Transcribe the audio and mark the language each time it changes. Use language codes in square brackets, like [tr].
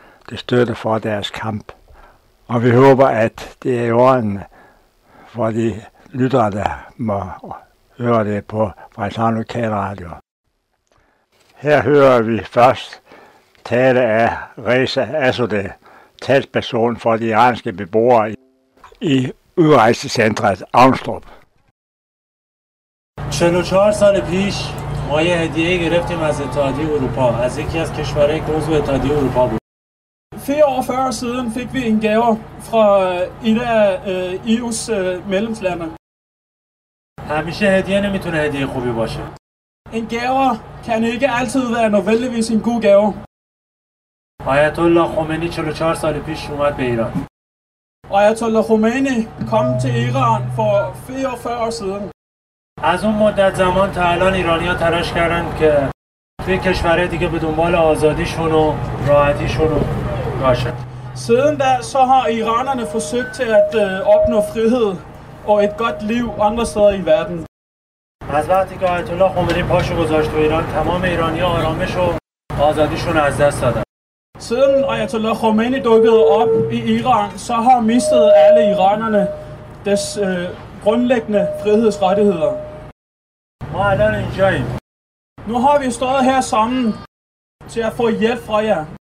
[da] Det støtter for deres kamp. Og vi håber, at det er i orden for de lyttere, der må høre det på Frederikshavn Lokalradio. Her hører vi først tale af Reza Asudek, talsperson for de iranske beboere i udrejsecentret Avnstrup. 44 år [fa] پیش ما یه هدیه گرفتیم از اتحادیه اروپا از یکی از کشورهای عضو اتحادیه اروپا بود. [da] 44 år siden fik vi en gave fra et af EU's medlemslande. [fa] همیشه هدیه نمیتونه هدیه خوبی باشه. [da] En gave kan ikke altid være nødvendigvis en god gave. [fa] Ayatollah Khomeini [da] 44 år [fa] پیش اومد به ایران. [da] Ayatollah Khomeini kom til Iran for 44 år siden. [fa] از اون مدت زمان تا الان ایرانی‌ها تلاش کردن که توی کشورهای دیگه به دنبال آزادیشون و راحتیشون رو باشن. [da] Siden da så har iranerne forsøgt til at opnå frihed og et godt liv andre steder i verden. [fa] از وقتی که آیت الله خمینی پاشو گذاشت تو ایران تمام ایرانی‌ها آرامش و آزادیشون از دست دادن. [da] Siden آیت الله خمینی dukkede op i Iran så har mistet alle iranerne des grundlæggende frihedsrettigheder. Hvor er der en joy? Nu har vi stået her sammen til at få hjælp fra jer.